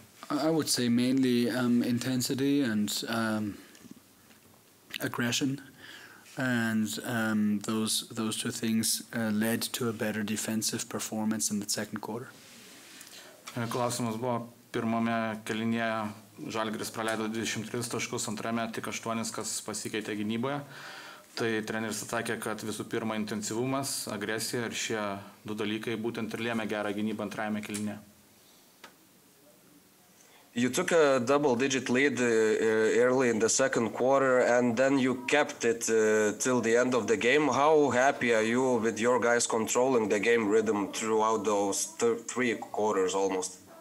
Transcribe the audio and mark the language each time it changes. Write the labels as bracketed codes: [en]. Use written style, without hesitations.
[en] I would say mainly intensity and aggression. And those two things led to a better defensive performance in the second quarter. [lt] Klausimas buvo, pirmame kelinėje Žalgiris praleido 23 taškus, antrame tik 8, kas pasikeitė gynyboje. Tai treneris atsakė, kad visų pirma intensyvumas, agresija ir šie du dalykai būtent ir lėmė gerą gynybą antrajame kelinėje. [en] You took a double-digit lead early in the second quarter, and then you kept it till the end of the game. How happy are you with your guys controlling the game rhythm throughout those three quarters almost?